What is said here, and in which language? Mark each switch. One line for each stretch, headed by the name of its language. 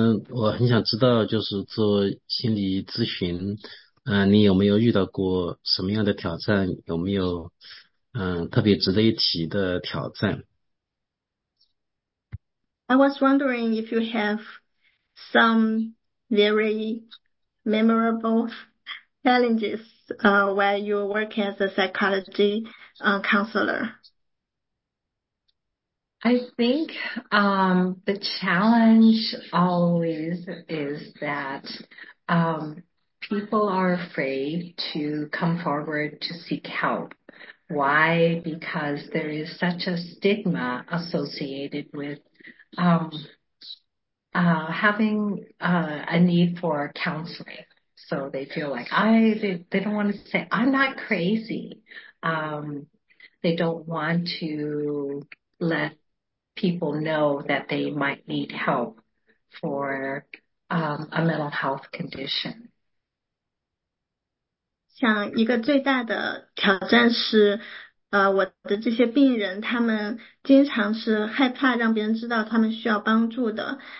Chinese: 我很想知道，就是做心理咨询，你有没有遇到过什么样的挑战？有没有特别值得一提的挑战
English: ？I was wondering if you have some very memorable challenges while you work as a psychology counselor. I think the challenge always is that people are afraid to come forward to seek help. Why? Because there is such a stigma associated with having a need for counseling. So they feel like, they don't want to say, I'm not crazy. They don't want to let people know that they might need help for a mental health condition.
Chinese: 像一个最大的挑战是，我的这些病人，他们经常是害怕让别人知道他们需要帮助的。